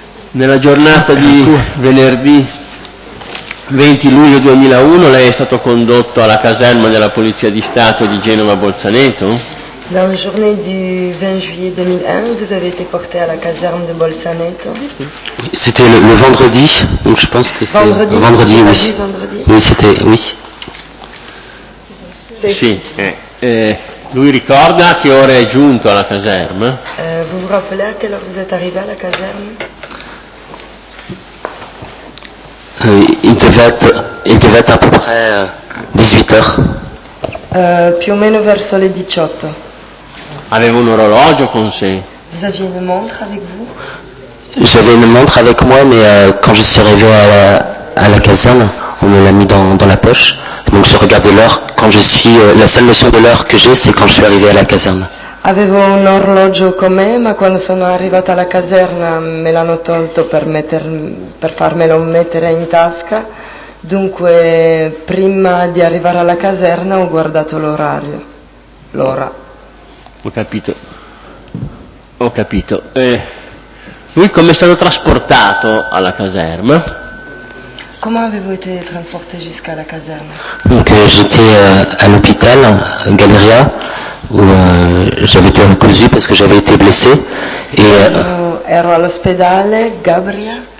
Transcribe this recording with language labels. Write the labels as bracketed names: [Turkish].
[Italian] Nella giornata di venerdì 20 luglio 2001 lei è stato condotto alla caserma della Polizia di Stato di Genova Bolzaneto? [French] Dans la journée du 20 juillet 2001, vous avez été porté à la caserne de Bolzaneto. C'était le vendredi, donc je pense que c'est vendredi. Oui, c'était oui. [Italian] Sì. Lui ricorda che ora è giunto alla caserma? [French] Vous vous rappelez à quelle heure vous êtes arrivé à la caserne? Il devait être à peu près 18h. [Italian] Più o meno verso le 18. Avevo un orologio con sé. [French] Vous aviez une montre avec vous? J'avais une montre avec moi, mais quand je suis arrivé à la caserne, on me l'a mis dans la poche. Donc je regardais l'heure. La seule notion de l'heure que j'ai, c'est quand je suis arrivé à la caserne. [Italian] Avevo un orologio con me, ma quando sono arrivata alla caserna me l'hanno tolto per farmelo mettere in tasca. Dunque, prima di arrivare alla caserna ho guardato l'orario. L'ora. Ho capito. Lui come è stato trasportato alla caserma? [French] Comment avez-vous été transporté jusqu'à la caserne? Donc j'étais à l'hôpital Galeria où j'avais été recousu parce que j'avais été blessé et [Italian] ero all'ospedale Gabria.